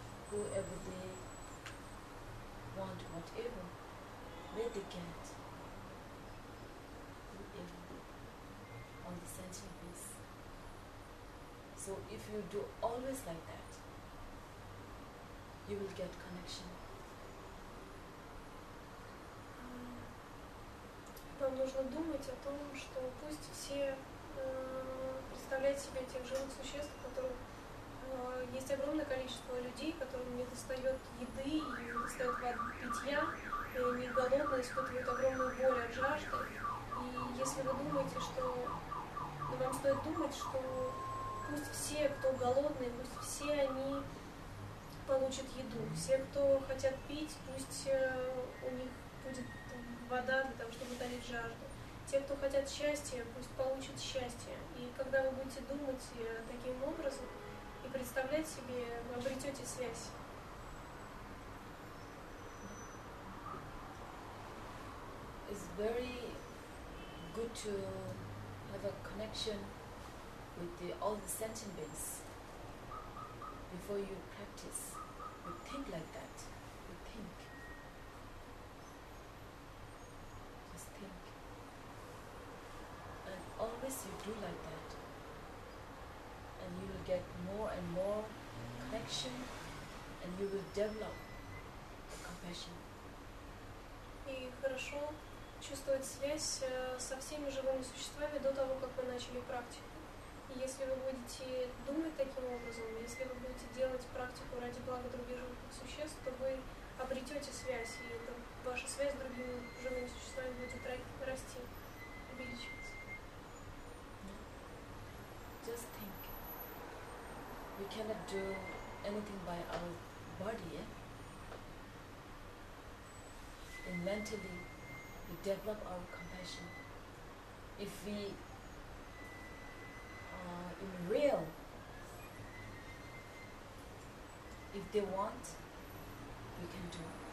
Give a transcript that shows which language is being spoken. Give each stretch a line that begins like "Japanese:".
English: Whoever they want whatever, what they get. Whoever they want the sentient beings. So if you do always like that, you will get connection.
Russian: Вам нужно думать о том, что пусть все представляют себе тех живых существ, которых есть огромное количество людей, которым не достает еды, не достает питья, и они голодные, испытывают огромную боль от жажды. И если вы думаете, что вам стоит думать, что пусть все, кто голодный, пусть все они получат еду. Все, кто хотят пить, пусть у них будет вода для того, чтобы утолить жажду. Те, кто хотят счастья, пусть получат счастье. И когда вы будете думать таким образом и представлять себе, вы обретете связь.
English: It's very good to have a connection with all the sentient beings before you practice. You think like that. You think. Just think. And always you do like that. And you will get more and more connection and you will develop compassion.
Russian: И хорошо чувствовать связь со всеми живыми существами до того, как вы начали практику. Если вы будете думать таким образом, если вы будете делать практику ради блага других живых существ, то вы обретете связь, и ваша связь с другими живыми существами будет расти, увеличиваться.
English: Just think. We cannot do anything by our body, yeah? And mentally we develop our compassion. If we in real, if they want, we can do.